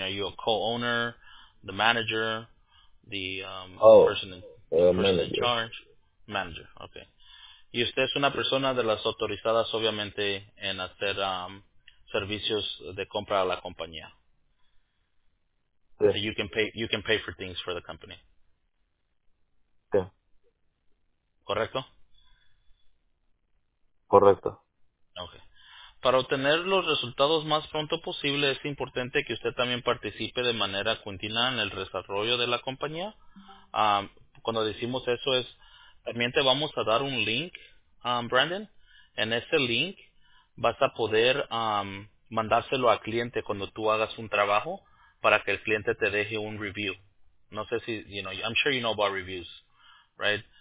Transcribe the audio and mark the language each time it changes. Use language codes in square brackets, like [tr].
[en] Are you a co-owner, the manager, Oh, the person in manager. charge? Manager, okay. [es] Y usted es una persona de las autorizadas, obviamente, en hacer servicios de compra a la compañía. [en] So you can pay for things for the company. [es] ¿Correcto? Correcto. [en] Okay. [es] Para obtener los resultados más pronto posible, es importante que usted también participe de manera continua en el desarrollo de la compañía. Cuando decimos eso es, también te vamos a dar un link, Brandon. En ese link vas a poder mandárselo al cliente cuando tú hagas un trabajo para que el cliente te deje un review. No sé si, [en] I'm sure you know about reviews, right?